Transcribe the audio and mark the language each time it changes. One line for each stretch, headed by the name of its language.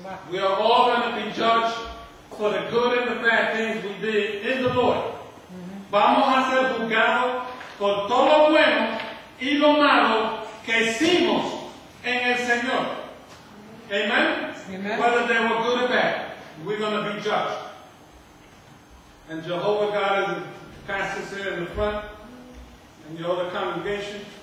English: We are all going to be judged for the good and the bad things we did in the Lord.
Spanish: Vamos a ser juzgados por todo lo bueno y lo malo que hicimos en el Señor. Amen? Amen.
English: Whether they were good or bad, we're going to be judged. And Jehovah God is the pastor sitting in the front, and you're the congregation.